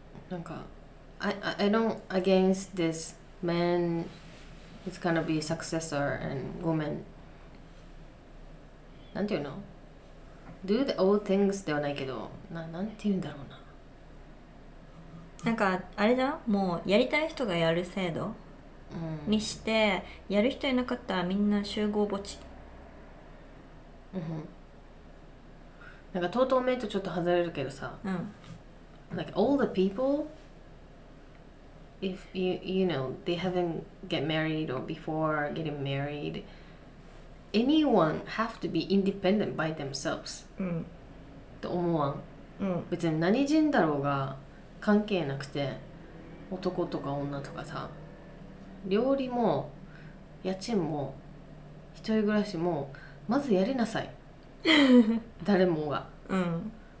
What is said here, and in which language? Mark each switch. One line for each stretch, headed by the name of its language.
English: なんか I don't against this man is gonna be successor and woman なんていうの Do the old things
Japanese: ではないけど なんていうんだろうななんかあれだもうやりたい人がやる制度うん、にしてやる人いなかったらみんな集合墓地、うん、なんかトートーメイとちょっと外れるけどさ、うん、
English: Like all the people If you know they haven't get married or before getting married Anyone have to be independent by themselves、うん、
Japanese: って思わん、うん、別に何人だろうが関係なくて男とか女とかさ料理も家賃も一人暮らしもまずやりなさい誰もがうん